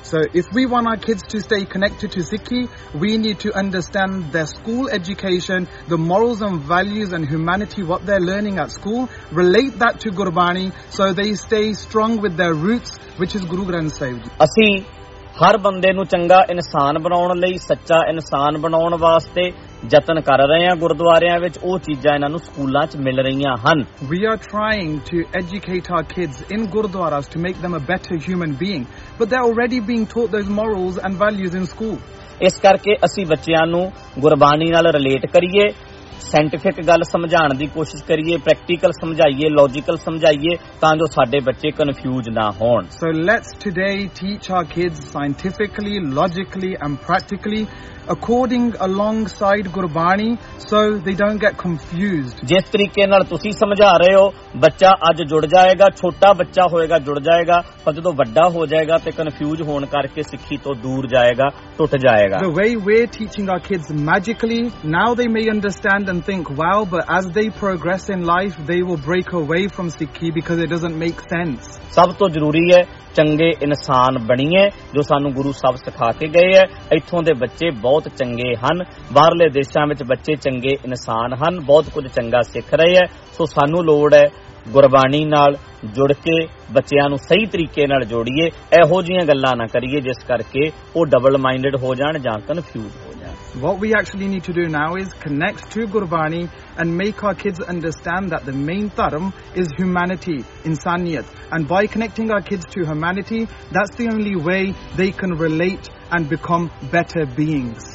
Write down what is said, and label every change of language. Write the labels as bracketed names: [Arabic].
[English] so if we want our kids to stay connected to Sikhi we need to understand their school education the morals and values and humanity what they are learning at school relate that to Gurbani so they stay strong with their roots which is Guru Granth Sahib ji [Punjabi] ਅਸੀਂ ਹਰ ਬੰਦੇ ਨੂੰ ਚੰਗਾ ਇਨਸਾਨ ਬਣਾਉਣ ਲਈ, ਸੱਚਾ ਇਨਸਾਨ ਬਣਾਉਣ ਵਾਸਤੇ ਯਤਨ ਕਰ ਰਹੇ ਹਾਂ ਗੁਰਦੁਆਰਿਆਂ ਵਿੱਚ, ਉਹ ਚੀਜ਼ਾਂ ਇਹਨਾਂ ਨੂੰ ਸਕੂਲਾਂ 'ਚ ਮਿਲ ਰਹੀਆਂ ਹਨ। [English] We are trying to educate our kids in gurdwaras to make them a better human being, but they're already being taught those morals and values in school. [Punjabi] ਇਸ ਕਰਕੇ ਅਸੀਂ ਬੱਚਿਆਂ ਨੂੰ ਗੁਰਬਾਣੀ ਨਾਲ ਰਿਲੇਟ ਕਰੀਏ, ਸਾਇੰਟਿਫਿਕ ਗੱਲ ਸਮਝਾਉਣ ਦੀ ਕੋਸ਼ਿਸ਼ ਕਰੀਏ, ਪ੍ਰੈਕਟੀਕਲ ਸਮਝਾਈਏ, ਲੌਜੀਕਲ ਸਮਝਾਈਏ, ਤਾਂ ਜੋ ਸਾਡੇ ਬੱਚੇ ਕਨਫਿਊਜ਼ ਨਾ ਹੋਣ। [English] So let's today teach our kids scientifically, logically and practically according alongside Gurbani, so they don't get confused. [Punjabi] ਜਿਸ ਤਰੀਕੇ ਨਾਲ ਤੁਸੀਂ ਸਮਝਾ ਰਹੇ ਹੋ, ਬੱਚਾ ਅੱਜ ਜੁੜ ਜਾਏਗਾ, ਛੋਟਾ ਬੱਚਾ ਹੋਏਗਾ ਜੁੜ ਜਾਏਗਾ, ਪਰ ਜਦੋਂ ਵੱਡਾ ਹੋ ਜਾਏਗਾ ਤੇ ਕਨਫਿਊਜ਼ ਹੋਣ ਕਰਕੇ ਸਿੱਖੀ ਤੋਂ ਦੂਰ ਜਾਏਗਾ, ਟੁੱਟ ਜਾਏਗਾ। [English] The way we're teaching our kids magically, now they may understand and think, wow, but as they progress in life, they will break away from Sikhi because it doesn't make sense. [Punjabi] ਸਭ ਤੋਂ ਜ਼ਰੂਰੀ ਹੈ ਚੰਗੇ ਇਨਸਾਨ ਬਣੀਏ, ਜੋ ਸਾਨੂੰ ਗੁਰੂ ਸਾਹਿਬ ਸਿਖਾ ਕੇ ਗਏ ਹੈ। ਇੱਥੋਂ ਦੇ ਬੱਚੇ ਬਹੁਤ ਚੰਗੇ ਹਨ, ਬਾਹਰਲੇ ਦੇਸ਼ਾਂ ਵਿੱਚ ਬੱਚੇ ਚੰਗੇ ਇਨਸਾਨ ਹਨ, ਬਹੁਤ ਕੁਝ ਚੰਗਾ ਸਿੱਖ ਰਹੇ ਹੈ। ਸੋ ਸਾਨੂੰ ਲੋੜ ਹੈ ਗੁਰਬਾਣੀ ਨਾਲ ਜੁੜ ਕੇ ਬੱਚਿਆਂ ਨੂੰ ਸਹੀ ਤਰੀਕੇ ਨਾਲ ਜੋੜੀਏ, ਇਹੋ ਜਿਹੀਆਂ ਗੱਲਾਂ ਨਾ ਕਰੀਏ ਜਿਸ ਕਰਕੇ ਉਹ ਡਬਲ ਮਾਈਂਡਡ ਹੋ ਜਾਣ ਜਾਂ ਕਨਫਿਊਜ਼ ਹੋ ਜਾਣ। [English] What we actually need to do now is connect to Gurbani and make our kids understand that the main dharm is humanity, insaniyat. And by connecting our kids to humanity, that's the only way they can relate and become better beings.